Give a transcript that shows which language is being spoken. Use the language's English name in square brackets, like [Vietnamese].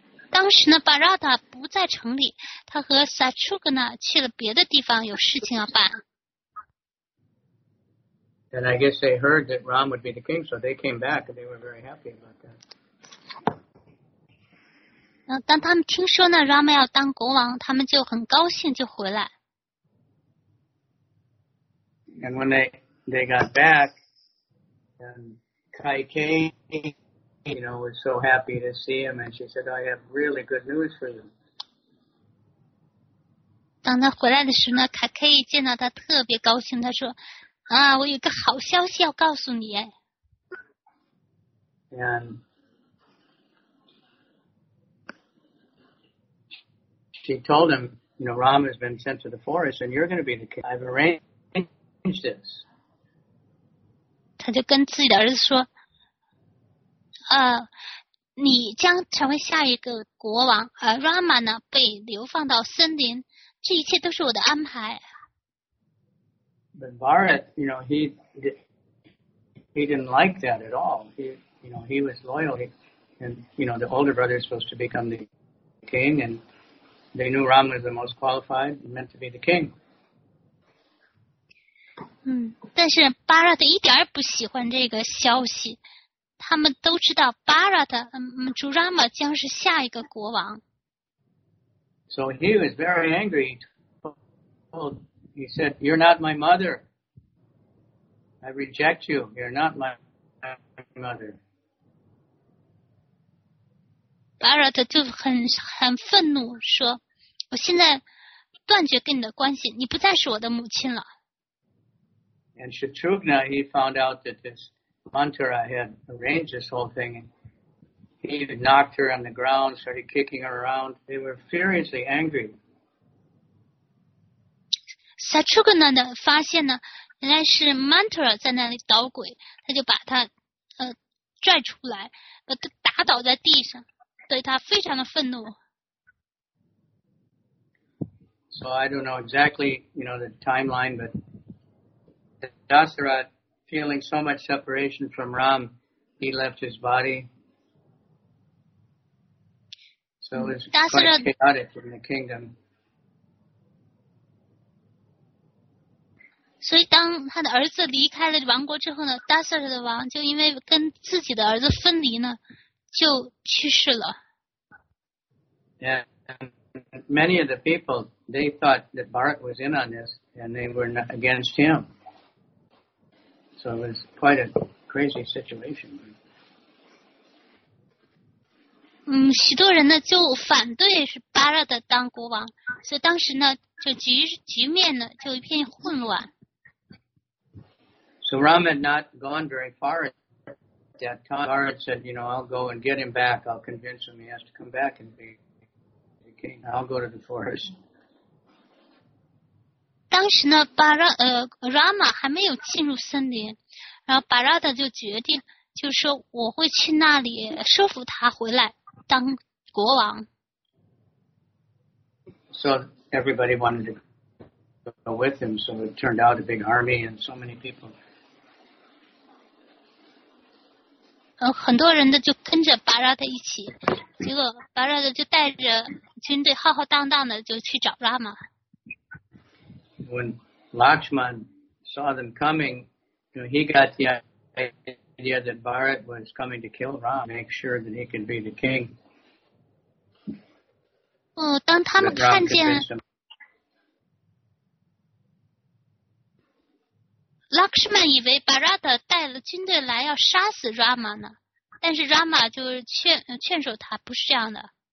[Chinese] 当时呢 ，Bharata 不在城里，他和 Shatrughna 去了别的地方，有事情要办。 [English] And I guess they heard that Ram would be the king, so they came back and they were very happy about that. [Chinese] 当他们听说呢 ，Ram 要当国王，他们就很高兴，就回来。 [English] And when they got back, and Kai Kei, you know, was so happy to see him, and she said, "I have really good news for you." [Chinese] 当他回来的时候呢，凯凯一见到他特别高兴，他说。啊，我有个好消息要告诉你。 [English] And she told him, you know, Ram has been sent to the forest, and you're going to be the king. I've arranged this. [Chinese] 他就跟自己的儿子说，你将成为下一个国王，而 Rama 呢被流放到森林，这一切都是我的安排。 [English] But Bharat, you know, he didn't like that at all. He, you know, he was loyal. And, you know, the older brother is supposed to become the king, and they knew Ram was the most qualified and meant to be the king. [Chinese] 但是 Bharat 一点不喜欢这个消息。他们都知道 Bharat, Rama 将是下一个国王。 [English] So he was very angry. He said, "You're not my mother. I reject you. You're not my mother." [Chinese] Bharat 就很愤怒，说：“我现在断绝跟你的关系，你不再是我的母亲了。” [English] And Shatrughna, he found out that this Mantara had arranged this whole thing. He knocked her on the ground, started kicking her around. They were furiously angry. [Chinese] Shatrughna 呢发现呢原来是 Mantara 在那里捣鬼，他就把他拽出来，把他打倒在地上，对他非常的愤怒。 [English] So I don't know exactly, you know, the timeline, but Dasarath, feeling so much separation from Ram, he left his body. So it was quite chaotic in the kingdom. [Chinese] 所以当他的儿子离开了王国之后呢 Dasarath 的王就因为跟自己的儿子分离呢就去世了。 [English] And many of the people, they thought that Bharat was in on this and they were not against him. So it was quite a crazy situation. [Chinese] 许多人呢就反对是 Bharat 当国王，所以当时呢就局面呢就一片混乱。 [English] So Ram had not gone very far at that time. Bharat said, you know, I'll go and get him back. I'll convince him he has to come back and be the king. I'll go to the forest. [Chinese] 当时呢 Rama 还没有进入森林，然后 Bharat 就决定，就说我会去那里说服他回来当国王。 [English] So everybody wanted to go with him, so it turned out a big army and so many people. [Chinese] 很多人的就跟着巴拉的一起，结果巴拉的就带着军队浩浩荡荡的就去找拉玛。 [English] When Lakshman saw them coming, you know, he got the idea that Bharat was coming to kill Ram, make sure that he could be the king. [Chinese] 当他们看见Lakshman 以为 Bharat 带了军队来要杀死 Rama 呢，但是 Rama 就劝说他不是这样的。